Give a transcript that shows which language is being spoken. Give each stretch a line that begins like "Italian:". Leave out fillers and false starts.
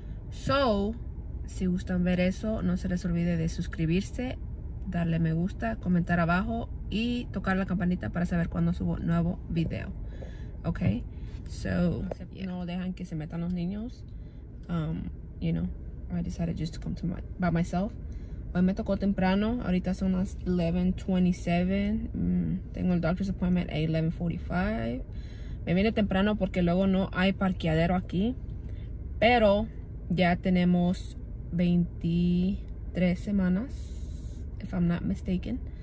Spanish: So, si gustan ver eso, no se les olvide de suscribirse, darle me gusta, comentar abajo y tocar la campanita para saber cuando subo nuevo video. Ok, so no dejan que se metan los niños.
English: You know, I decided just to come to by myself.
Spanish: Hoy me tocó temprano, ahorita son las 11:27. Tengo el
English: doctor's appointment at 11:45.
Spanish: Me viene temprano porque luego no hay parqueadero aquí. Pero ya tenemos 23 semanas,
English: if I'm not mistaken.